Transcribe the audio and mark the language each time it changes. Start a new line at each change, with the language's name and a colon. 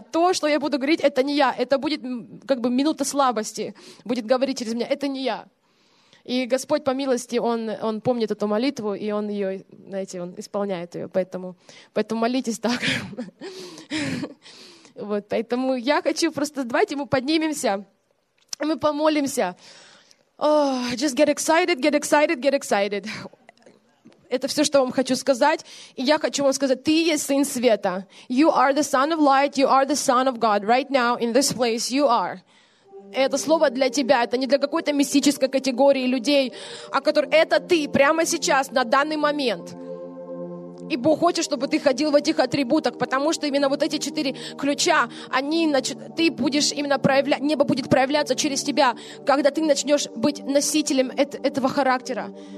Russian: То, что я буду говорить, это не я. Это будет как бы минута слабости, будет говорить через меня, это не я. И Господь, по милости, он помнит эту молитву, и он ее, знаете, он исполняет ее. Поэтому молитесь так. Вот, поэтому я хочу просто, давайте мы поднимемся, мы помолимся.
English: Oh, just get excited, get excited, get excited.
Russian: Это все, что вам хочу сказать. И я хочу вам сказать, ты есть Сын Света.
English: You are the Son of Light, you are the Son of God. Right now, in this place, you are.
Russian: Это слово для тебя, это не для какой-то мистической категории людей, а который, это ты прямо сейчас, на данный момент. И Бог хочет, чтобы ты ходил в этих атрибутах, потому что именно вот эти четыре ключа, они, ты будешь именно проявлять, небо будет проявляться через тебя, когда ты начнешь быть носителем этого характера.